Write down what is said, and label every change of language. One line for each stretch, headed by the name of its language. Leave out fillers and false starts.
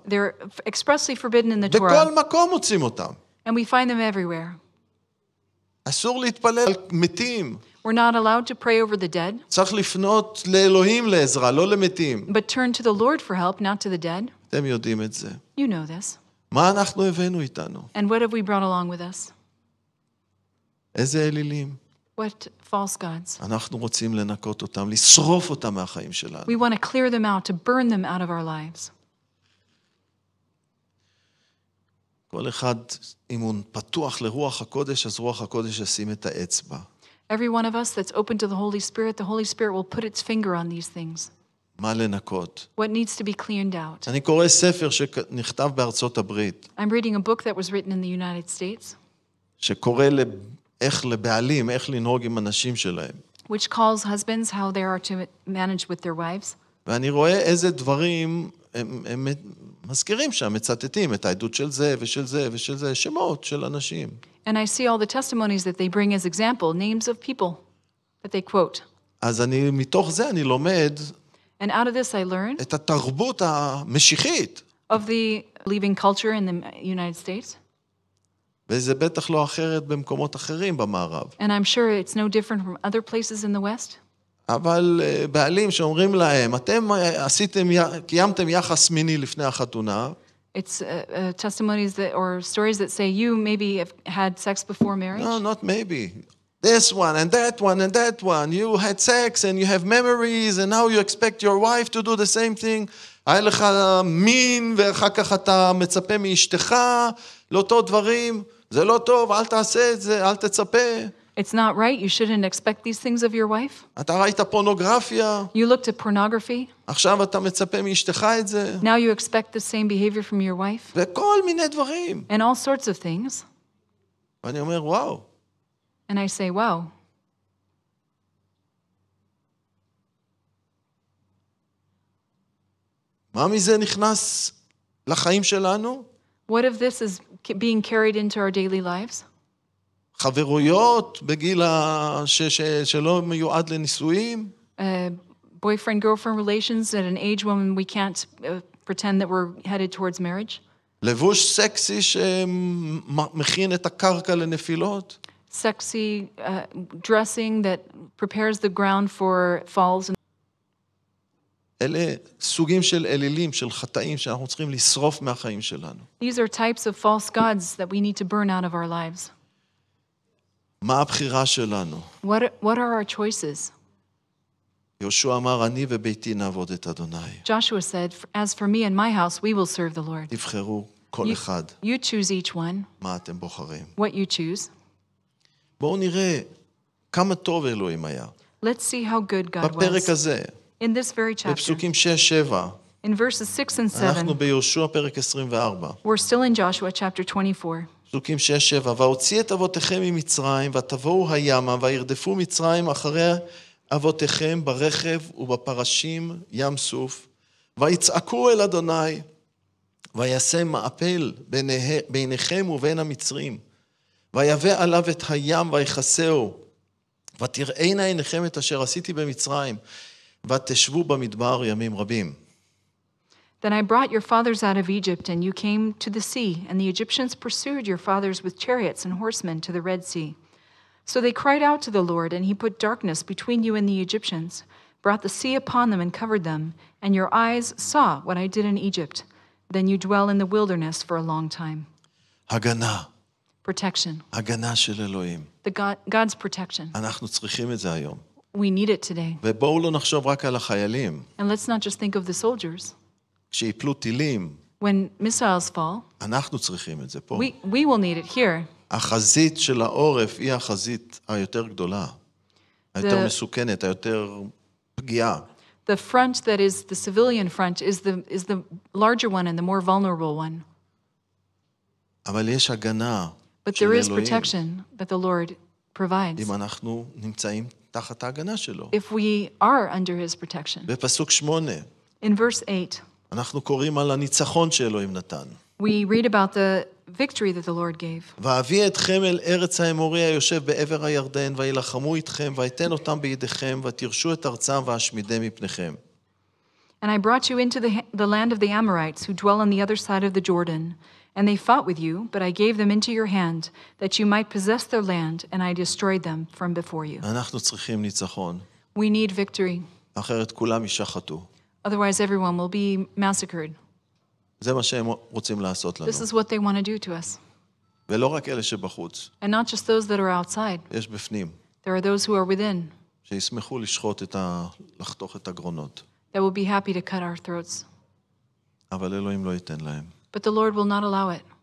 English: They're expressly forbidden in the Torah.
Hebrew: בכל מקום מוצאים אותם.
English: And we find them everywhere.
Hebrew: אסור להתפלל על מתים.
English: We're not allowed to pray over the dead.
Hebrew: צריך לפנות לאלוהים לעזרה, לא למתים.
English: But turn to the Lord for help, not to the dead.
Hebrew: אתם יודעים את זה.
English: You know this.
Hebrew: מה אנחנו הבאנו איתנו?
English: And what have we brought along with us?
Hebrew: איזה אלילים?
English: What false gods?
Hebrew: אנחנו רוצים לנקות אותם, לשרוף אותם מהחיים שלנו.
English: We want to clear them out, to burn them out of our lives.
Hebrew: כל אחד, אם הוא פתוח לרוח הקודש, אז רוח הקודש ישים את האצבע.
English: Every one of us that's open to the Holy Spirit will put its finger on these things.
Hebrew: מה לנקות?
English: What needs to be cleaned out?
Hebrew: אני קורא ספר שנכתב בארצות הברית.
English: I'm reading a book that was written in the United States.
Hebrew: שקורא איך לבעלים, איך לנהוג עם הנשים שלהם.
English: Which calls husbands how they are to manage with their wives.
Hebrew: ואני רואה איזה דברים הם מזכירים שם, מצטטים את העדות של זה ושל זה ושל זה, שמות של אנשים.
English: And I see all the testimonies that they bring as example, names of people that they quote.
Hebrew: אז אני מתוך זה אני לומד.
English: And out of this I learn.
Hebrew: את התרבות המשיחית.
English: Of the believing culture in the United States.
Hebrew: וזה בטח לא אחרת במקומות אחרים במערב.
English: And I'm sure it's no different from other places in the West.
Hebrew: אבל בעלים שאומרים להם, אתם עשיתם, קיימתם יחס מיני לפני החתונה.
English: It's testimonies that, or stories that say you maybe have had sex before marriage. No, not maybe. This one and that one and that one. You had sex and you have memories and now you expect your wife to do the same thing.
Hebrew: היה לך מין ואחר כך אתה מצפה מאשתך לאותו דברים. זה לא טוב, אל תעשה את זה, אל תצפה.
English: It's not right. You shouldn't expect these things of your wife.
Hebrew: אתה ראית פורנוגרפיה.
English: You looked at pornography.
Hebrew: עכשיו אתה מצפה מאשתך את זה.
English: Now you expect the same behavior from your wife.
Hebrew: וכל מיני דברים.
English: And all sorts of things.
Hebrew: ואני אומר, וואו.
English: And I say, wow.
Hebrew: מה מזה נכנס לחיים שלנו?
English: What if this is being carried into our daily lives?
Hebrew: חברויות בגיל שלא מיועד לנישואים.
English: Boyfriend girlfriend relations at an age when we can't pretend that we're headed towards marriage.
Hebrew: לבוש סקסי שמכין את הקרקע לנפילות.
English: Sexy dressing that prepares the ground for falls.
Hebrew: אלה סוגים של אלילים, של חטאים שאנחנו צריכים לשרוף מהחיים שלנו.
English: These are types of false gods that we need to burn out of our lives.
Hebrew: מה הבחירה שלנו?
English: What are our choices?
Hebrew: יהושע אמר, אני וביתי נעבוד את אדוני.
English: Joshua said, as for me and my house, we will serve the Lord.
Hebrew: תבחרו כל אחד.
English: You choose each one.
Hebrew: מה אתם בוחרים?
English: What you choose.
Hebrew: בואו נראה כמה טוב אלוהים היה.
English: Let's see how good God was.
Hebrew: בפרק הזה.
English: In this very chapter.
Hebrew: בפסוקים 6-7.
English: In verses 6 and 7.
Hebrew: אנחנו ביהושע פרק 24.
English: We're still in Joshua chapter 24.
Hebrew: פסוקים 6-7, והוציא את אבותיכם ממצרים, ותבואו הימה, וירדפו מצרים אחרי אבותיכם ברכב ובפרשים ים סוף, ויצעקו אל אדוני, ויעשה מאפל ביניכם ובין המצרים, ויבא עליו את הים ויחסהו, ותראינה עיניכם את אשר עשיתי במצרים, ותשבו במדבר ימים רבים.
English: Then I brought your fathers out of Egypt, and you came to the sea, and the Egyptians pursued your fathers with chariots and horsemen to the Red Sea. So they cried out to the Lord, and he put darkness between you and the Egyptians, brought the sea upon them and covered them, and your eyes saw what I did in Egypt. Then you dwell in the wilderness for a long time.
Hebrew: Hagana.
English: protection.
Hebrew: הגנה של אלוהים.
English: The God's protection.
Hebrew: אנחנו צריכים את זה היום.
English: We need it today.
Hebrew: ובואו לא נחשוב רק על החיילים.
English: And let's not just think of the soldiers.
Hebrew: כשיפלו טילים.
English: When missiles fall.
Hebrew: אנחנו צריכים את זה פה.
English: We will need it here.
Hebrew: החזית של העורף היא החזית היותר גדולה. היותר מסוכנת, היותר פגיעה.
English: The front that is the civilian front is the larger one and the more vulnerable one.
Hebrew: אבל יש הגנה
English: but there is protection that the Lord provides.
Hebrew: אם אנחנו נמצאים תחת ההגנה שלו.
English: If we are under his protection.
Hebrew: בפסוק 8.
English: In verse 8.
Hebrew: אנחנו קוראים על הניצחון שאלוהים נתן.
English: We read about the victory that the Lord gave.
Hebrew: ואביא אתכם אל ארץ האמורי היושב בעבר הירדן וילחמו איתכם ואתן אותם בידיכם ותירשו את ארצם ואשמידם מפניכם.
English: And I brought you into the land of the Amorites who dwell on the other side of the Jordan. And they fought with you, but I gave them into your hand, that you might possess their land, and I destroyed them from before you.
Hebrew: אנחנו צריכים ניצחון.
English: We need victory.
Hebrew: אחרת כולם ישחטו.
English: Otherwise everyone will be massacred.
Hebrew: זה מה שהם רוצים לעשות לנו.
English: This is what they want to do to us.
Hebrew: ולא רק אלה שבחוץ.
English: And not just those that are outside.
Hebrew: יש בפנים.
English: There are those who are within.
Hebrew: שישמחו לשחוט את לחתוך את הגרונות.
English: They will be happy to cut our throats.
Hebrew: אבל אלוהים לא ייתן להם.
English: But the Lord will not allow it.